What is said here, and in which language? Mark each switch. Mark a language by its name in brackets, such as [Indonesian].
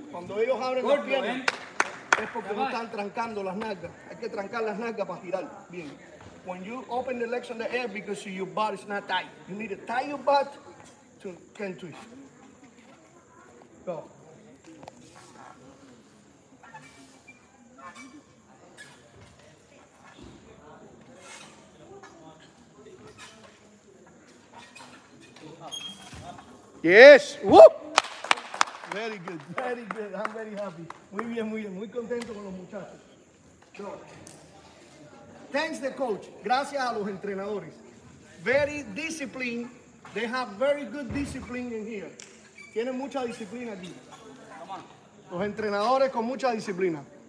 [Spanish] Cuando ellos abren las piernas, es porque no están trancando las nalgas. Hay que trancar las nalgas para girar bien. [English] When you open the legs on the air, because your butt is not tight. You need to tie your butt to can twist. Go. Yes. Whoop. Very good. Very good. I'm very happy. [Spanish] Muy bien, muy bien. Muy contento con los muchachos. [English] Go. Thanks the coach, [Spanish] gracias a los entrenadores. [English] Very disciplined, they have very good discipline in here. [Spanish] Tienen mucha disciplina aquí. Los entrenadores con mucha disciplina.